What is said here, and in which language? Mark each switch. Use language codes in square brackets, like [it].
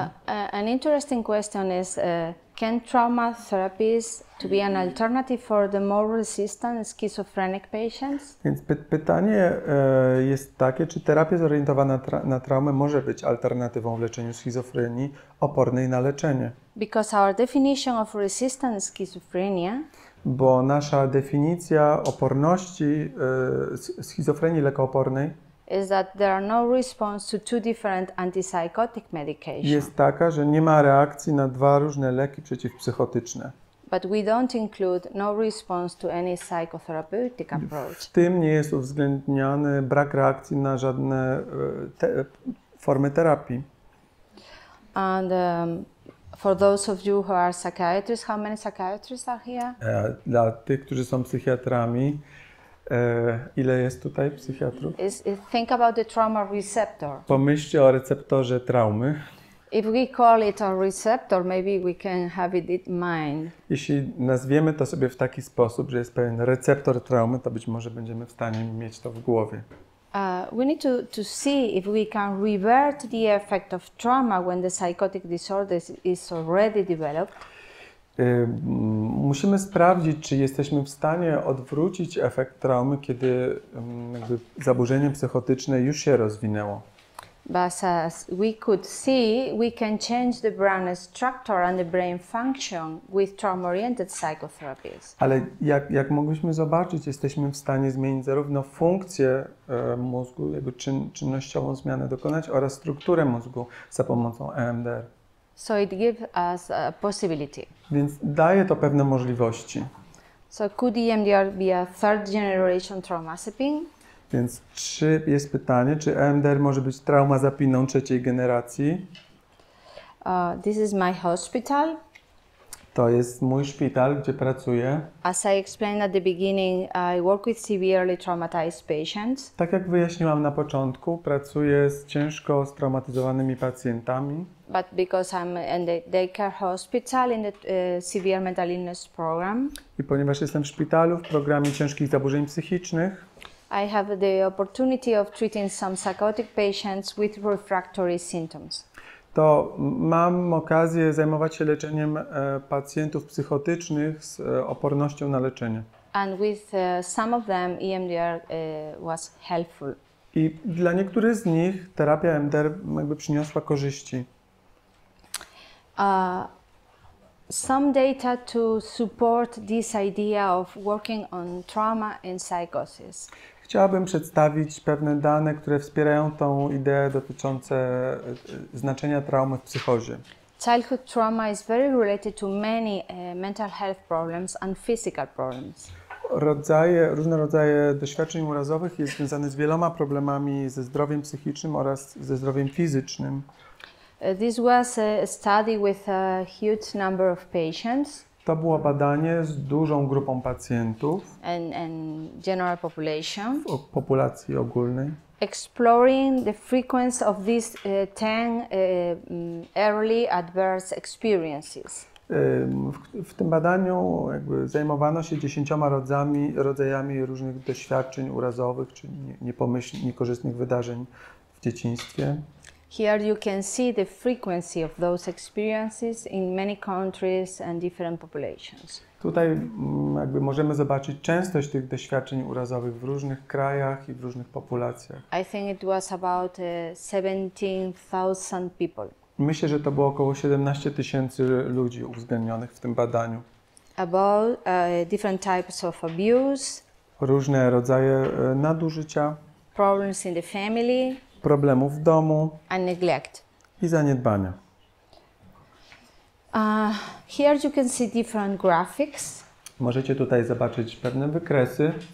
[en] So, an interesting question is, can trauma therapies to be an alternative for the more resistant schizophrenic patients? [pl] Więc pytanie jest takie, czy terapia zorientowana na traumę może być alternatywą w leczeniu schizofrenii opornej na leczenie? [en] Because our definition of resistant schizophrenia. [pl] Bo nasza definicja oporności schizofrenii lekoopornej [en] is that there are no response to two different antipsychotic medications. [pl] Jest taka, że nie ma reakcji na dwa różne leki przeciwpsychotyczne. [en] But we don't include no response to any psychotherapeutic approach. [pl] W tym nie jest uwzględniany brak reakcji na żadne formy terapii. [en] And for those of you who are psychiatrists, how many psychiatrists are here? [pl] Dla tych, którzy są psychiatrami, ile jest tutaj psychiatrów? [en] Think about the trauma receptor. [pl] Pomyślcie o receptorze traumy. [en] If we call it a receptor, maybe we can have it in mind. [pl] Jeśli nazwiemy to sobie w taki sposób, że jest pewien receptor traumy, to być może będziemy w stanie mieć to w głowie. [en] We need to see if we can revert the effect of trauma when the psychotic disorder is already developed. [pl] Musimy sprawdzić, czy jesteśmy w stanie odwrócić efekt traumy, kiedy jakby zaburzenie psychotyczne już się rozwinęło. [en] But as we could see, we can change the brain structure and the brain function with trauma-oriented psychotherapies. [pl] Ale jak mogliśmy zobaczyć, jesteśmy w stanie zmienić zarówno funkcję mózgu, jakby czynnościową zmianę dokonać, oraz strukturę mózgu za pomocą EMDR. [en] So it gives us a possibility. [pl] Więc daje to pewne możliwości. [en] So could EMDR be a third generation trauma zapping? [pl] Więc czy jest pytanie, czy EMDR może być trauma zapiną trzeciej generacji? [en] This is my hospital. [pl] To jest mój szpital, gdzie pracuję. [en] As I explained at the beginning, I work with severely traumatized patients. [pl] Tak jak wyjaśniłam na początku, pracuję z ciężko straumatyzowanymi pacjentami. [en] But because I'm in the daycare hospital in the severe mental illness program. [pl] I ponieważ jestem w szpitalu w programie ciężkich zaburzeń psychicznych. [en] I have the opportunity of treating some psychotic patients with refractory symptoms. [pl] To mam okazję zajmować się leczeniem pacjentów psychotycznych z opornością na leczenie. [en] And with some of them EMDR was helpful. [pl] I dla niektórych z nich terapia EMDR jakby przyniosła korzyści. [en] Some data to support this idea of working on trauma and psychosis. [pl] Chciałabym przedstawić pewne dane, które wspierają tą ideę dotyczące znaczenia traumy w psychozie. [en] Childhood trauma is very related to many mental health problems and physical problems. [pl] Różne rodzaje doświadczeń urazowych jest związane z wieloma problemami ze zdrowiem psychicznym oraz ze zdrowiem fizycznym. [en] This was a study with a huge number of patients. [pl] To było badanie z dużą grupą pacjentów [en] and general population. [pl] W populacji ogólnej. [en] Exploring the frequency of these 10 early adverse experiences. [pl] W tym badaniu jakby zajmowano się 10 rodzajami różnych doświadczeń urazowych, czy niekorzystnych wydarzeń w dzieciństwie. [en] Here you can see the frequency of those experiences in many countries and different populations. [pl] Tutaj jakby możemy zobaczyć częstość tych doświadczeń urazowych w różnych krajach i w różnych populacjach. [en] I think it was about 17,000 people. [pl] Myślę, że to było około 17,000 ludzi uwzględnionych w tym badaniu. [en] About different types of abuse. [pl] Różne rodzaje nadużycia. [en] Problems in the family. [pl] Problemów w domu [en] and neglect. [pl] I zaniedbania. [en] Here you can see different graphics. [pl] Możecie tutaj zobaczyć pewne wykresy.